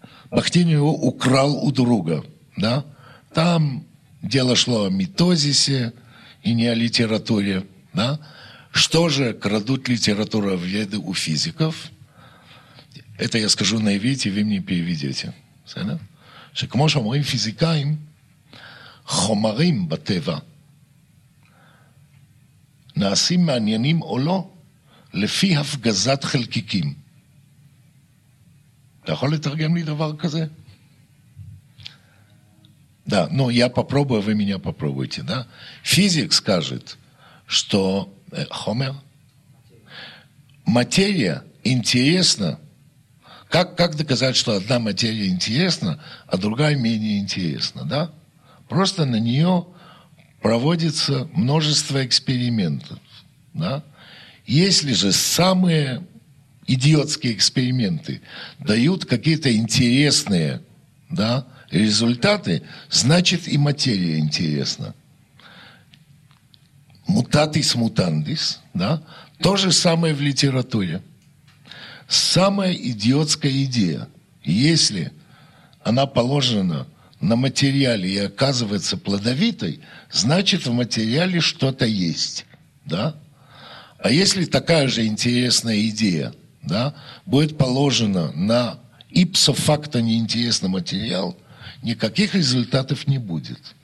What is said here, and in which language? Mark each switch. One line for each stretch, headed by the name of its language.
Russian: Бахтин его украл у друга, да. Там дело шло о митозисе и не о литературе, да. Что же крадут литературоведы у физиков? Это я скажу на иврите, вы мне переведете.
Hebrew: Шекмо шамурим физикаим хомарим батева נעשים מעניינים או לא, לפי הפגזת חלקיקים. אתה יכול לתרגם לי דבר כזה?
Russian: Да, ну я попробую, вы меня попробуйте, да? Физик скажет, что Хомер, материя интересна. Как доказать, что одна материя интересна, а другая менее интересна, да? Просто на нее проводится множество экспериментов. Да? Если же самые идиотские эксперименты дают какие-то интересные, да, результаты, значит и материя интересна.
Latin: Mutatis mutandis, да?
Russian: То же самое в литературе. Самая идиотская идея, если она положена на материале и оказывается плодовитой, значит в материале что-то есть, да? А если такая же интересная идея, да, будет положена на ipso facto неинтересный материал, никаких результатов не будет.